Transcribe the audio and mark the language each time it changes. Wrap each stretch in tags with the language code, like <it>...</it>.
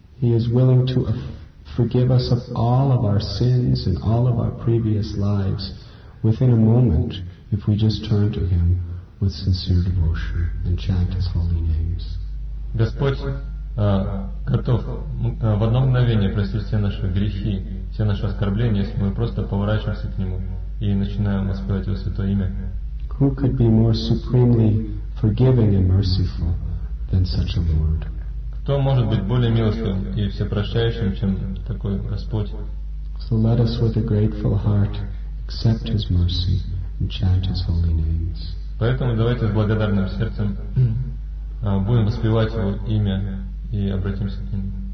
<en>He is willing to forgive us of all of our sins and all of our previous lives within a moment if we just turn to Him with sincere devotion and chant His holy names.</en> <ru>Господь готов в одно мгновение простить все наши грехи, все наши оскорбления, если мы просто поворачиваемся к Нему и начинаем воспевать Его Святое Имя.</ru> <en>Who could be more supremely forgiving and merciful than such a Lord?</en> <ru>Кто может быть более милостивым и всепрощающим, чем такой Господь?</ru> <en>So let us with a grateful heart accept His mercy and chant His holy names.</en> <ru>Поэтому давайте с благодарным сердцем будем воспевать Его имя и обратимся к Нему.</ru>